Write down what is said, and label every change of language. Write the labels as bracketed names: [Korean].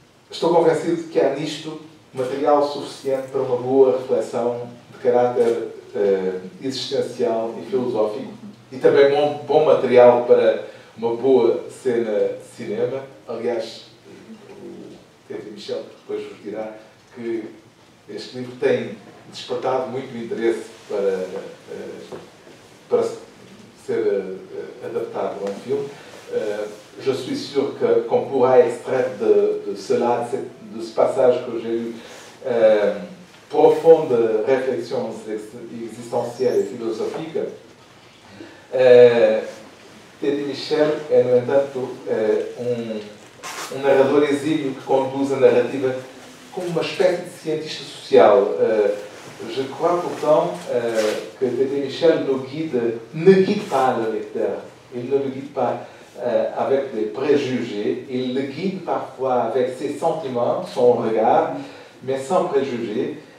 [Portuguese] Estou convencido de que há nisto material suficiente para uma boa reflexão de caráter existencial e filosófico, e também um bom material para uma boa cena de cinema. Aliás, teve Michel, que depois vos dirá, que este livro tem despertado muito interesse para, para ser adaptado a um filme. [French] Je suis sûr que, qu'on pourra extraire de cela, de ce passage que j'ai lu, profonde réflexion existentielle et philosophique. [Portuguese] Teddy Michel é, no entanto, um narrador exímio que conduz a narrativa como uma espécie de cientista social. [French] Je crois pourtant que Teddy Michel ne guide pas le lecteur. Il ne le guide pas avec des préjugés. Il le guide parfois avec ses sentiments, son regard, mais sans préjugés.